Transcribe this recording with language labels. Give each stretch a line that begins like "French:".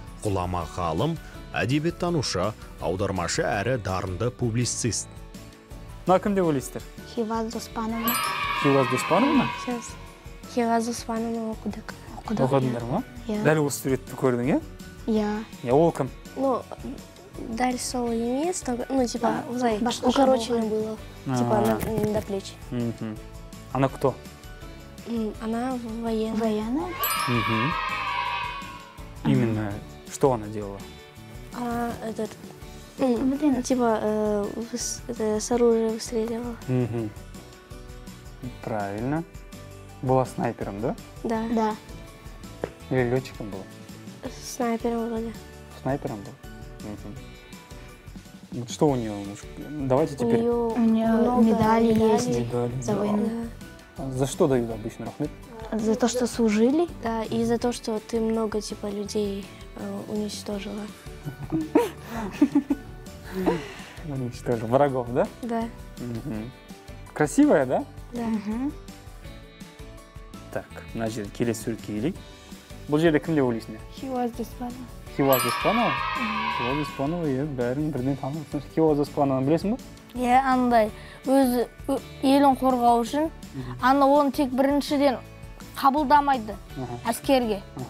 Kazakh: Ғұлама ғалым, әдебиеттанушы, аудармашы әрі дарынды публицист. Мына кімде ойлайсыздар? Хиваз Доспанова. Хиваз Доспанова ма? Хиваз Доспанова оқыдық. Оқыдыңдар ма? Иә. Дәл осы суретті көрдің, иә? Иә. Иә, ол кім?
Russian: Ну,
Kazakh: дәл сол емес,
Russian: ну, типа, узай, укороченный было. Типа, до плеч. Она кто? Она военная. Именно, что она делала? Она, этот, блин, типа, с оружием стреляла. Правильно. Была снайпером, да? Да. Да. Или летчиком была? Снайпером вроде. Снайпером был? Вот что у нее? Давайте теперь. У нее много медалей есть. Медали, за войну. Да. За что дают обычно, Рахмет? За то, что служили. Да, и за то, что ты много типа людей уничтожила. Уничтожила. Врагов, да? Да. Красивая, да? Да. Так, значит, келесюркили.
Kazakh: Бұл жерде кімде ойлайсыңдар? Хиваз Доспанова. Хиваз Доспанова? Хиваз Доспанова, иә, бәрін бірден танысың. Хиваз Доспанованы білесің ба? Иә, андай, өзі елін қорғау үшін, ана оны тек біріншіден қабылдамайды әскерге.